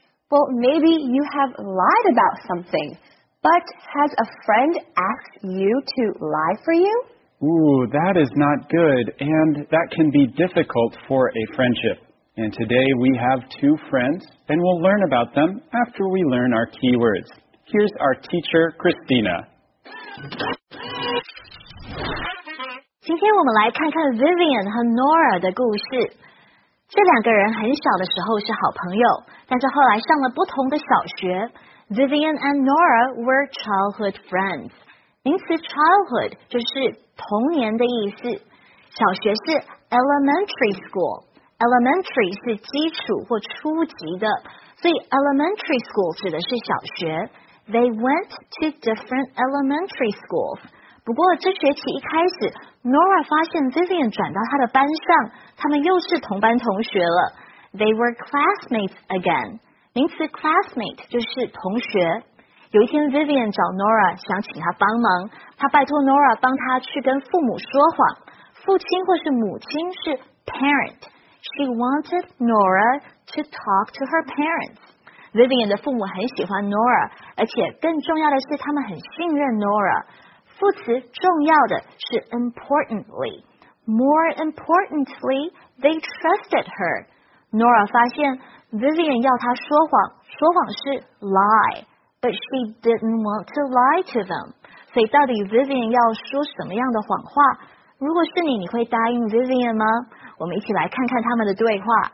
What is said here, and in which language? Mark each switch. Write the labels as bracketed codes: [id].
[en] Well, maybe you have lied about something, but has a friend asked you to lie for you? Ooh, that is not good, and that can be difficult for a friendship. And today we have two friends, and we'll learn about them after we learn our keywords. Here's our teacher, Christina. [zh] 今天我们来看看 Vivian 和 Nora 的故事。这两个人很小的时候是好朋友，但是后来上了不同的小学。 [en] Vivian and Nora were childhood friends. [zh] 名词 childhood 就是童年的意思，小学是 elementary school。 Elementary 是基础或初级的，所以 elementary school 指的是小学。 [en] They went to different elementary schools. [zh] 不过这学期一开始 ，Nora 发现 Vivian 转到她的班上，他们又是同班同学了。 [en] They were classmates again. [zh] 名词 classmate 就是同学。有一天 ，Vivian 找 Nora 想请她帮忙，她拜托 Nora 帮她去跟父母说谎。父亲或是母亲是 parent。 [en] She wanted Nora to talk to her parents. [zh] Vivian 的父母很喜欢 Nora, 而且更重要的是他们很信任 Nora. 副词重要的是 importantly. [en] More importantly, they trusted her. [zh] Nora 发现 Vivian 要她说谎，说谎是 lie, [en] but she didn't want to lie to them. [zh] 所以到底 Vivian 要说什么样的谎话？如果是你，你会答应 Vivian 吗？我们一起来看看他们的对话。